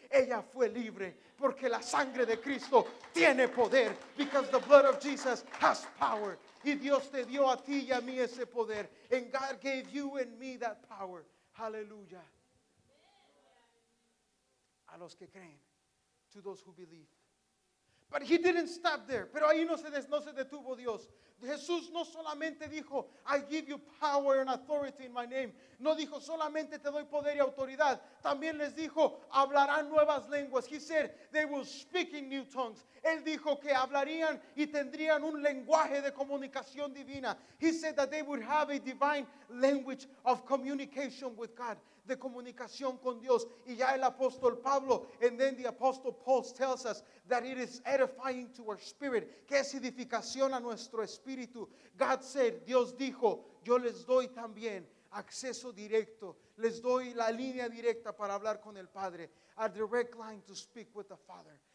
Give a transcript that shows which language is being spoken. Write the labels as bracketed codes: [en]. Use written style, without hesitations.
[es] Ella fue libre, porque la sangre de Cristo tiene poder. [en] Because the blood of Jesus has power. [es] Y Dios te dio a ti y a mí ese poder. [en] And God gave you and me that power. Hallelujah. [es] A los que creen. [en] To those who believe. But he didn't stop there. [es] Pero ahí no se detuvo Dios. Jesús no solamente dijo, [en] I give you power and authority in my name. [es] No dijo solamente te doy poder y autoridad. También les dijo, hablarán nuevas lenguas. [en] He said, they will speak in new tongues. [es] Él dijo que hablarían y tendrían un lenguaje de comunicación divina. [en] He said that they would have a divine language of communication with God. [es] De comunicación con Dios. Y ya el apóstol Pablo, [en] and then the apostle Paul tells us that it is edifying to our spirit. [es] Que es edificación a nuestro espíritu. [en] God said, [es] Dios dijo, yo les doy también acceso directo. Les doy la línea directa para hablar con el Padre. [en] A direct line to speak with the Father.